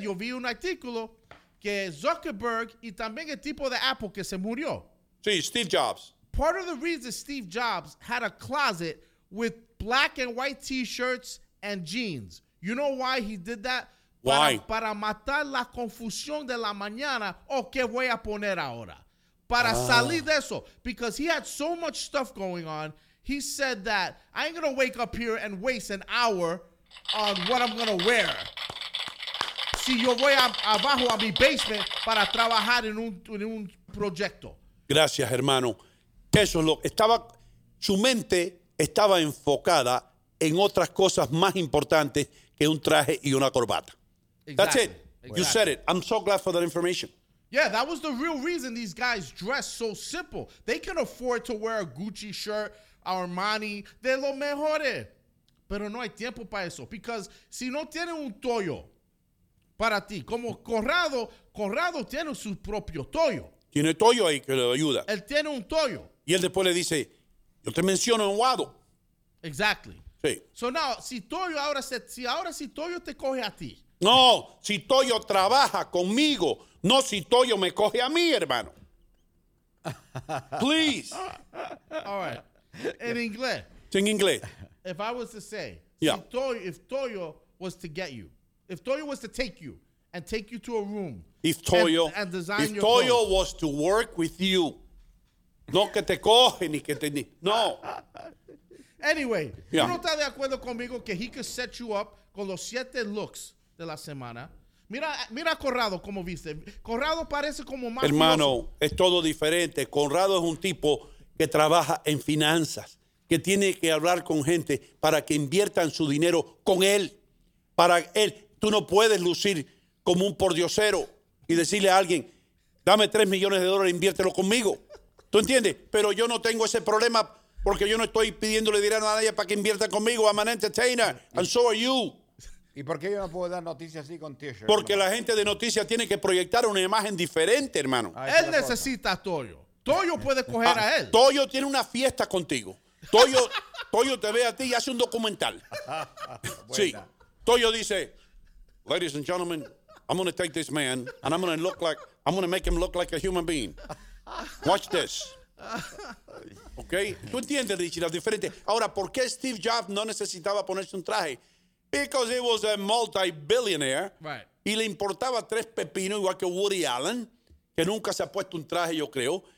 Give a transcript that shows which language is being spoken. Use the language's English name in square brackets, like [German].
[Spanish] Yo vi un artículo que Zuckerberg y también el tipo de Apple que se murió. Sí, Steve Jobs. [English] Part of the reason Steve Jobs had a closet with black and white t-shirts and jeans. You know why he did that? Why? [Spanish] Para matar la confusión de la mañana. Oh, ¿qué voy a poner ahora? Para salir de eso. [English] Because he had so much stuff going on. He said that I ain't going to wake up here and waste an hour on what I'm going to wear. [Spanish] Si yo voy abajo a mi basement para trabajar en un proyecto. Gracias, hermano. Eso es lo que estaba. Su mente estaba enfocada en otras cosas más importantes que un traje y una corbata. [English] Exactly. That's it. Exactly. You said it. I'm so glad for that information. Yeah, that was the real reason these guys dress so simple. They can afford to wear a Gucci shirt, Armani. [Spanish] De lo mejores. Pero no hay tiempo para eso. Because si no tiene un Toyo para ti, como Corrado tiene su propio Toyo. Tiene Toyo ahí que le ayuda. Él tiene un Toyo. Y él después le dice, yo te menciono en Wado. [English] Exactly. [Spanish] Sí. [English] So now, [Spanish] si Toyo te coge a ti. No, si Toyo trabaja conmigo, no si Toyo me coge a mí, hermano. [English] Please. All right. [Spanish] En inglés. En inglés. [English] If I was to say, yeah. If Toyo was to take you and take you to a room. If Toyo was to work with you. [Spanish] No que te coge ni que te ni. No. [English] Anyway, yeah. [Spanish] ¿Tú no estás de acuerdo conmigo que [English] he could set you up [Spanish] con los 7 looks de la semana? Mira Corrado como viste. Corrado parece como más. Hermano, es todo diferente. Corrado es un tipo que trabaja en finanzas, que tiene que hablar con gente para que inviertan su dinero con él. Para él. Tú no puedes lucir como un pordiosero y decirle a alguien, dame $3,000,000, inviértelo conmigo. ¿Tú entiendes? Pero yo no tengo ese problema porque yo no estoy pidiéndole dinero a nadie para que invierta conmigo. [English] I'm an entertainer, and so are you. [Spanish] ¿Y por qué yo no puedo dar noticias así con t-shirts? Porque la gente de noticias tiene que proyectar una imagen diferente, hermano. Él necesita a Toyo. Toyo puede coger a él. Toyo tiene una fiesta contigo. Toyo te ve a ti y hace un documental. Sí. Toyo dice, [English] ladies and gentlemen, I'm going to take this man and I'm going to make him look like a human being. Watch this. [Spanish] ¿Ok? ¿Tú entiendes, Richie, la diferente? Ahora, ¿por qué Steve Jobs no necesitaba ponerse un traje? [English] Because he was a multi-billionaire. Right. [Spanish] Y le importaba 3 pepinos, igual que Woody Allen, que nunca se ha puesto un traje, yo creo.